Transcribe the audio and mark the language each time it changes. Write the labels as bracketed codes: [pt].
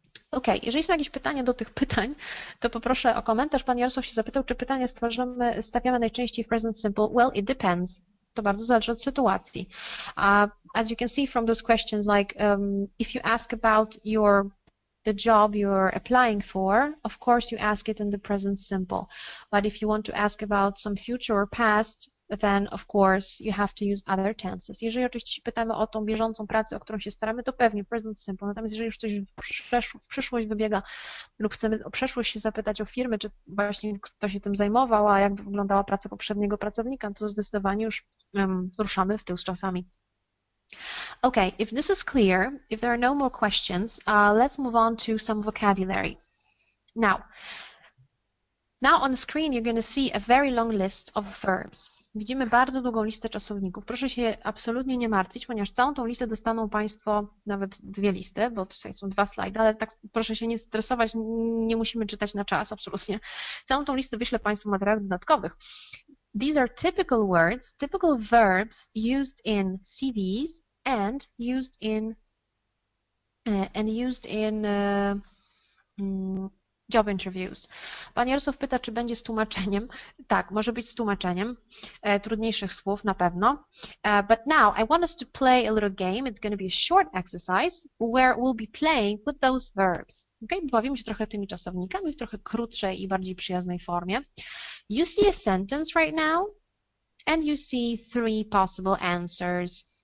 [pl] OK, jeżeli są jakieś pytania do tych pytań, to poproszę o komentarz. Pan Jarosław się zapytał, czy pytania stawiamy najczęściej w present simple. [en] Well, it depends. [pl] To bardzo zależy od sytuacji. [en] As you can see from those questions, like if you ask about the job you're applying for, of course you ask it in the present simple. But if you want to ask about some future or past, then of course you have to use other tenses. [pl] Jeżeli oczywiście się pytamy o tą bieżącą pracę, o którą się staramy, to pewnie present simple. Natomiast jeżeli już coś w przyszłość wybiega lub chcemy o przeszłość się zapytać o firmy, czy właśnie kto się tym zajmował, a jak wyglądała praca poprzedniego pracownika, to zdecydowanie już ruszamy w tył z czasami. [en] Okay, if this is clear, if there are no more questions, let's move on to some vocabulary. Now on the screen you're going to see a very long list of verbs. [pl] Widzimy bardzo długą listę czasowników. Proszę się absolutnie nie martwić, ponieważ całą tą listę dostaną Państwo, nawet dwie listy, bo tutaj są dwa slajdy, ale tak proszę się nie stresować, nie musimy czytać na czas absolutnie. Całą tą listę wyślę Państwu materiałów dodatkowych. [en] These are typical words, typical verbs used in CVs and used in job interviews. [pl] Pan Jarosław pyta, czy będzie z tłumaczeniem. Tak, może być z tłumaczeniem trudniejszych słów na pewno. [en] But now I want us to play a little game. It's going to be a short exercise where we'll be playing with those verbs. Okay? [pl] Bawimy się trochę tymi czasownikami w trochę krótszej i bardziej przyjaznej formie. [en] You see a sentence right now and you see three possible answers.